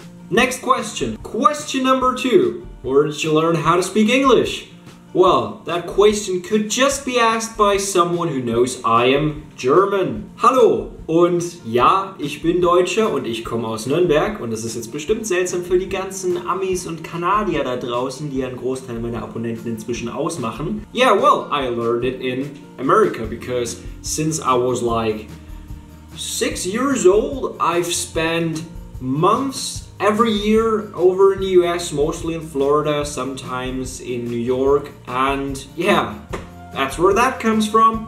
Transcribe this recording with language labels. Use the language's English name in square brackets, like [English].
[English] Next question. Question number 2. Where did you learn how to speak English? Well, that question could just be asked by someone who knows I am German. [German] Hallo und ja, ich bin Deutscher und ich komme aus Nürnberg und das ist jetzt bestimmt seltsam für die ganzen Amis und Kanadier da draußen, die ja einen Großteil meiner Abonnenten inzwischen ausmachen. [English] Yeah, well, I learned it in America because since I was like 6 years old, I've spent months every year over in the US, mostly in Florida, sometimes in New York, and yeah, that's where that comes from.